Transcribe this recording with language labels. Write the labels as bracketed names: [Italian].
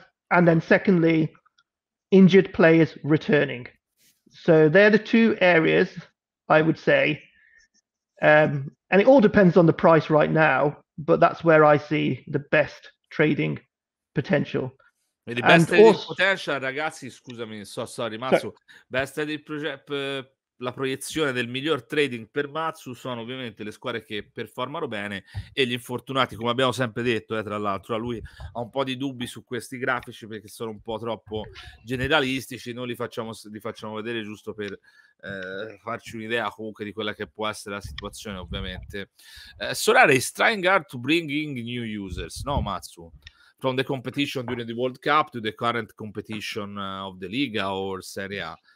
[English] And then secondly, injured players returning. So they're the two areas, I would say. And it all depends on the price right now, but that's where I see the best trading potential. The best trading potential, [Italian] ragazzi, scusami, [English] sorry, Matsu. Sorry. [Italian] Best trading la proiezione del miglior trading per Matsu sono ovviamente le squadre che performano bene e gli infortunati, come abbiamo sempre detto, tra l'altro a lui ha un po' di dubbi su questi grafici perché sono un po' troppo generalistici, noi li facciamo vedere giusto per farci un'idea comunque di quella che può essere la situazione. [English] Ovviamente Sorare is trying hard to bring in new users, no Matsu? From the competition during the World Cup to the current competition of the Liga or Serie A.